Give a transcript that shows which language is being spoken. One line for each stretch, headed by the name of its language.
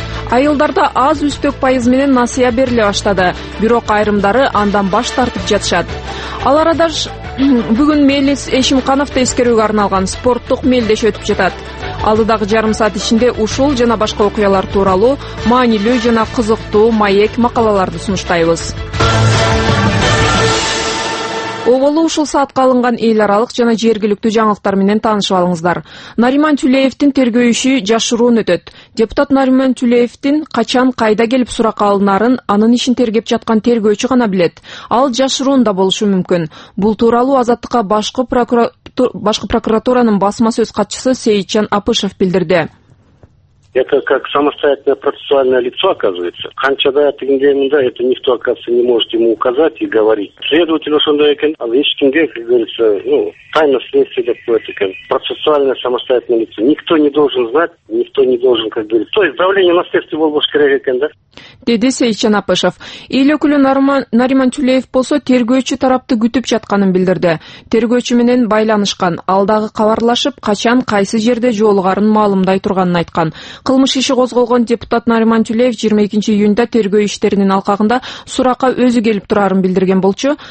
Kyrgyz: Айылдарда аз үстөк пайыз менен насыя бериле баштады, бирок айрымдары андан баш тартып жатышат. Ал арада бүгүн Мелис Эшимкановду эскерүүгө арналган спорттук мелдеш өтүп жатат. Алдыдагы жарым саат ичинде ушул жана башка окуялар тууралуу маанилүү жана кызыктуу маек макалаларды сунуштайбыз. Оболу ушул саатка алынган эл аралык жана жергиликтүү жаңылыктар менен таанышып алыңыздар. Нариман Түлеевдин тергөө иши жашыруун өтөт. Депутат Нариман Түлеевдин качан кайда келип суракка алынарын анын ишин тергеп жаткан тергөөчү гана билет. Ал жашыруунда болушу мүмкүн. Бул тууралуу Азаттыкка башкы прокуратуранын басма сөз катчысы Сейитжан Апышев билдирди.
Russian: Это как самостоятельное процессуальное лицо оказывается.
Kyrgyz: Канча да тигинде мында
Russian: это никто, оказывается, не может ему указать и говорить.
Kyrgyz: Следователь ошондой экен, ал эч кимге,
Russian: как говорится, тайна следствия
Kyrgyz: деп коет экен.
Russian: Процессуальное самостоятельное лицо. Никто не должен знать, никто не должен, как говорится. То есть давление на следствие
Kyrgyz: болбош керек экен, да? Деди Сейитжан Апышев. Эл өкүлү Нариман Түлеев болсо тергөөчү тарапты күтүп жатканын билдирди. Тергөөчү менен байланышкан, алдагы кабарлашып, качан кайсы жерде жолугарын маалымдай турганын айткан. Кылмыш иши козголгон депутат Нариман Түлеев 22-июнда тергөө иштеринин алкагында суракка өзү келип турарын билдирген болчу.